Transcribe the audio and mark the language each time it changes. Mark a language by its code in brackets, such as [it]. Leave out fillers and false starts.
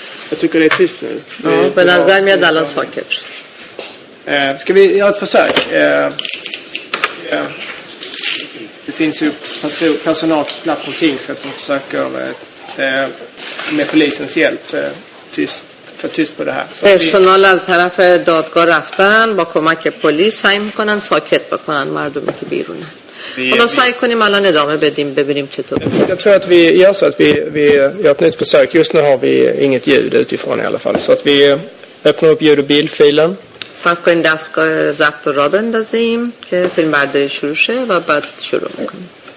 [sv] Jag tycker det är tyst nu. Ja, men han är med alla saker. Ska vi göra ett försök? Det finns ju personalplats på tingsrätt som försöker med polisens hjälp tyst. [fa] Personalas طرف دادگاه رفتن با کمک پلیس سعی میکنن ساکت بکنن مردمی که بیرونه. حالا سعی کنیم الان ادامه بدیم ببینیم چطور. [sv] Jag tror att vi gör så att vi gör ett nytt försök. Just nu har vi inget ljud utifrån i alla fall, så att vi öppnar upp ljud- och bildfilen. [fa] سعی کنیم دستگاه ضبط را بندازیم که فیلم برداری شروع شه و بعد شروع میکنیم.